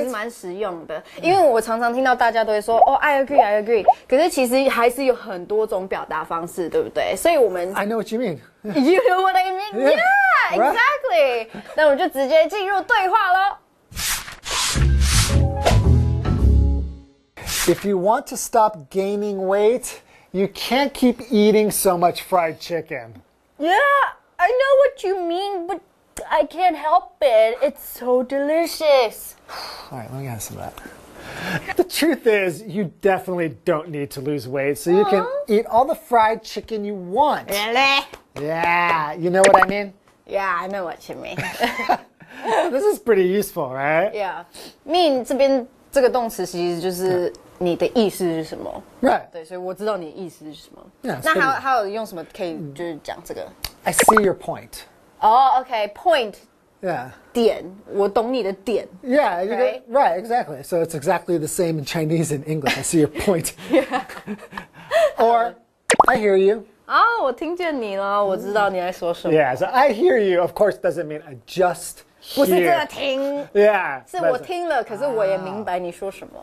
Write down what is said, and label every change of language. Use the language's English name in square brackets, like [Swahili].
[Chinese] 其实蛮实用的，因为我常常听到大家都会说，哦、 [English] oh, ，I agree, I agree. [Chinese] 可是其实还是有很多种表达方式，对不对？所以我们 [English] I know what you mean. You know what I mean? Yeah, exactly. [Chinese] 那我们就直接进入对话喽。 [English] If you want to stop gaining weight, you can't keep eating so much fried chicken. Yeah, I know what you mean, but I can't help it. It's so delicious. All right, let me have some of that. The truth is, you definitely don't need to lose weight, so you can eat all the fried chicken you want. Really? Yeah, you know what I mean? Yeah, I know what you mean. This is pretty useful, right? Yeah. [Chinese] Mean 这边这个动词其实就是你的意思是什么 [English] ？Right. [Chinese] 对，所以我知道你的意思是什么。 [English] Yeah, [Chinese] 那还有用什么可以就是讲这个 [English] ？I see your point. Oh, okay. Point. Yeah. [Chinese] 点，我懂你的点。 [English] Yeah. Right. Exactly. So it's exactly the same in Chinese and English. I see your point. Yeah. Or I hear you. [Chinese] Oh, 我听见你了，我知道你在说什么。 [English] Yeah. So I hear you. Of course, doesn't mean I just. [Chinese] 不是真的听 [English] yeah, [Chinese] 是我听了可是我也明白你说什么